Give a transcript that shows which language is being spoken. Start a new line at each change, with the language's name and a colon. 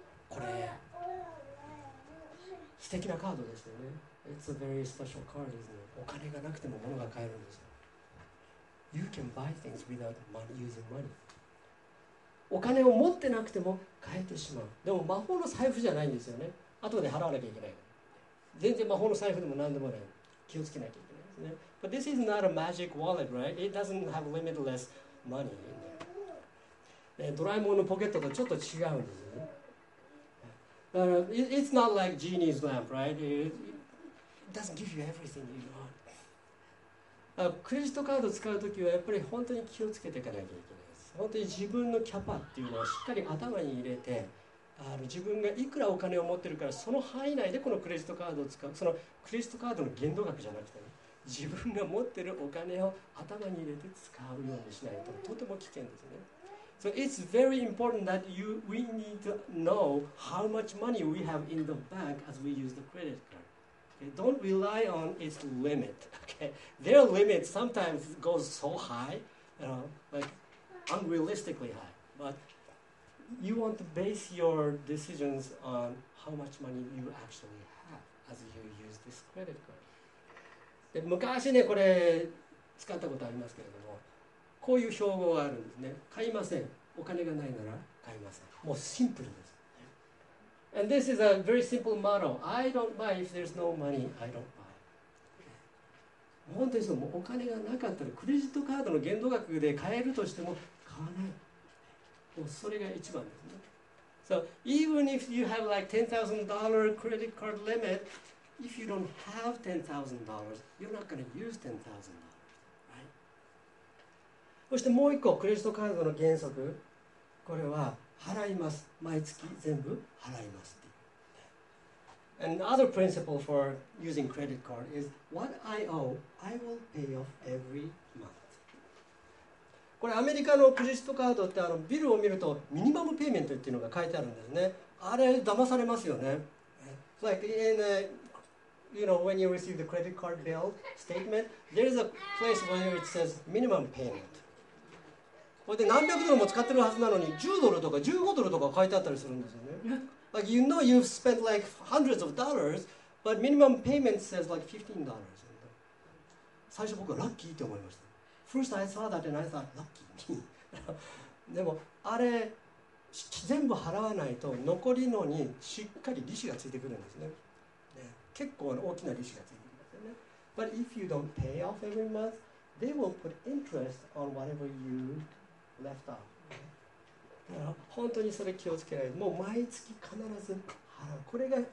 Japanese: これ素敵なカードですよね。
English: It's a very special card, isn't it?
Japanese: お金がなくても物が買えるんですよ。
English: You can buy things without money, using money.
Japanese: お金を持ってなくても買えてしまう。でも魔法の財布じゃないんですよね。後で払わなきゃいけない。全然魔法の財布でも何でもない。気をつけなきゃいけないですね。
English: But this is not a magic wallet, right? It doesn't have limitless money in there.
Japanese: ドラえもんのポケットとちょっと違うんですよね。だから、
English: It's not like genie's lamp, right? It doesn't give you everything you want.
Japanese: クレジットカード使うときはやっぱり本当に気をつけていかなきゃいけないです。本当に自分のキャパっていうのをしっかり頭に入れて、自分がいくらお金を持ってるからその範囲内でこのクレジットカードを使う。そのクレジットカードの限度額じゃなくて、ね、自分が持ってるお金を頭に入れて使うようにしないととても危険ですね。
English: So it's very important that we need to know how much money we have in the bank as we use the credit card. Okay, don't rely on its limit. Okay, their limit sometimes goes so high, you know, like unrealistically high. But you want to base your decisions on how much money you actually have as you use this credit card.
Japanese: で、昔ね、これ使ったことありますけれども。こういう標語があるんですね。買いません。お金がないなら買いません。もうシンプルです。
English: And this is a very simple motto. I don't buy if there's no money, I don't buy.
Japanese: 本当にそう、もうお金がなかったら、クレジットカードの限度額で買えるとしても買わない。もうそれが一番ですね。
English: So even if you have like $10,000 credit card limit, if you don't have $10,000, you're not going to use $10,000.
Japanese: そしてもう一個、クレジットカードの原則、これは払います、毎月全部払いますっていう。
English: And other principle for using credit card is what I owe, I will pay off every month.
Japanese: これアメリカのクレジットカードってあのビルを見るとミニマムペイメントっていうのが書いてあるんですね。あれ騙されますよね。
English: Like in a, you know, when you receive the credit card bill statement, there is a place where it says minimum payment.
Japanese: これで何百ドルも使ってるはずなのに10ドルとか15ドルとか書いてあったりするんですよね。
English: Like you know you've spent like hundreds of dollars, but minimum payment says like $15.
Japanese: 最初僕はラッキーって思いました。
English: First I saw that and I thought, lucky me.
Japanese: でもあれ全部払わないと残りのにしっかり利子がついてくるんですね。結構大きな利子がついてくるんですよね。
English: But if you don't pay off every month, they will put interest on whatever you left out.
Japanese: だから本当にそれ気をつけないで、もう毎月必ず払う。